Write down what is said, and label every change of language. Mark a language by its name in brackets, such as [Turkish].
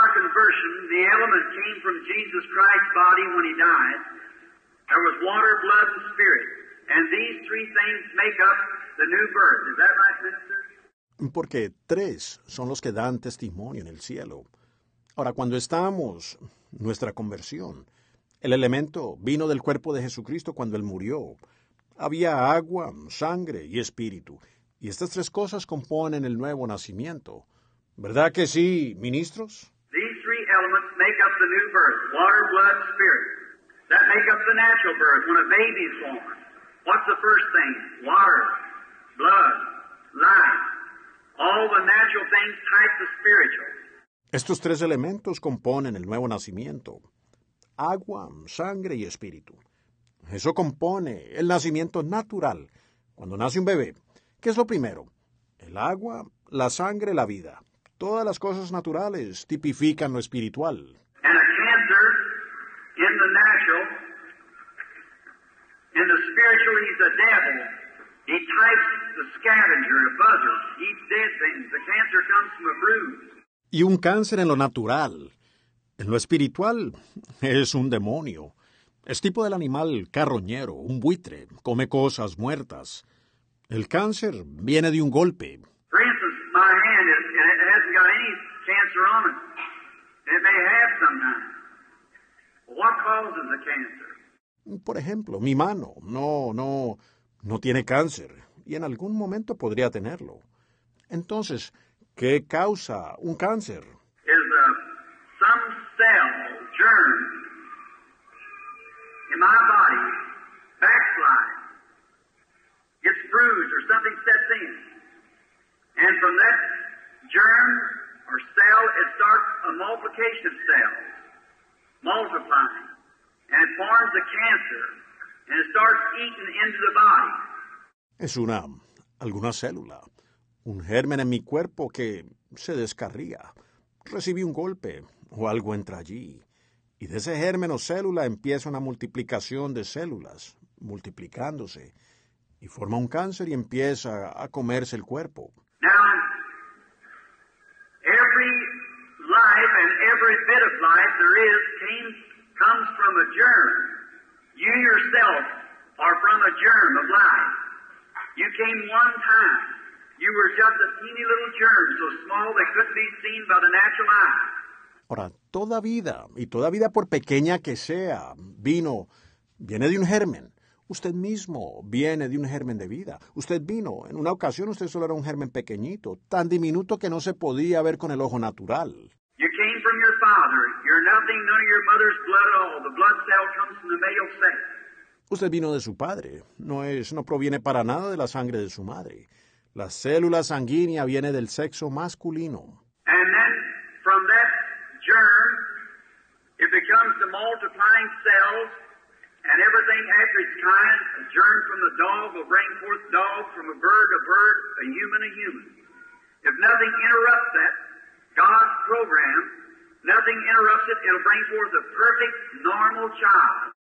[English] Revelation, the elements came from Jesus Christ's body when he died. There was water, blood, and spirit. And these three things make up the new birth. Is that right, Minister? [Spanish] Porque tres son los que dan testimonio en el cielo. Ahora, cuando estamos, nuestra conversión, el elemento vino del cuerpo de Jesucristo cuando Él murió. Había agua, sangre y espíritu. Y estas tres cosas componen el nuevo nacimiento. ¿Verdad que sí, ministros? [English] These three elements make up the new birth. Water, blood, spirit. That make up the natural birth. When a baby is born, what's the first thing? Water, blood, life. All the natural things type the spiritual. [Spanish] Estos tres elementos componen el nuevo nacimiento. Agua, sangre y espíritu. Eso compone el nacimiento natural. Cuando nace un bebé, ¿qué es lo primero? El agua, la sangre, la vida. Todas las cosas naturales tipifican lo espiritual. [English] And a cancer in the natural, in the spiritual, he's a devil. He types the scavenger, a buzzard. Eats dead things. The cancer comes from a bruise. [Spanish] Y un cáncer en lo natural, en lo espiritual, es un demonio. Es tipo del animal carroñero, un buitre, come cosas muertas. El cáncer viene de un golpe. [English] For instance, my hand is, it hasn't got any cancer on it. It may have sometimes. What causes the cancer? [Spanish] Por ejemplo, mi mano no tiene cáncer. Y en algún momento podría tenerlo. Entonces, ¿qué causa un cáncer? [English] Is a some cell germ in my body backslide, gets bruised or something sets in, and from that germ or cell it starts a multiplication of cells, multiplying, and it forms a cancer and it starts eating into the body. [Spanish] Es una alguna célula. Un germen en mi cuerpo que se descarría. Recibí un golpe o algo entra allí. Y de ese germen o célula empieza una multiplicación de células, multiplicándose. Y forma un cáncer y empieza a comerse el cuerpo. [English] Now, every life and every bit of life there is comes from a germ. You yourself are from a germ of life. You came one time. You were just a teeny little germ, so small that couldn't be seen by the natural eye. [Spanish] Ahora, toda vida, y toda vida por pequeña que sea, viene de un germen. Usted mismo viene de un germen de vida. Usted vino, en una ocasión usted solo era un germen pequeñito, tan diminuto que no se podía ver con el ojo natural. [English] You came from your father. You're nothing, none of your mother's blood at all. The blood cell comes from the male sex. [Spanish] Usted vino de su padre. No proviene para nada de la sangre de su madre. La célula sanguínea viene del sexo masculino. [English] And then from that germ, it becomes the multiplying cells, and everything after its kind, a germ from the dog will bring forth dog, from a bird, a human, a human. If nothing interrupts that, God's program, nothing interrupts it, it'll bring forth a perfect, normal child.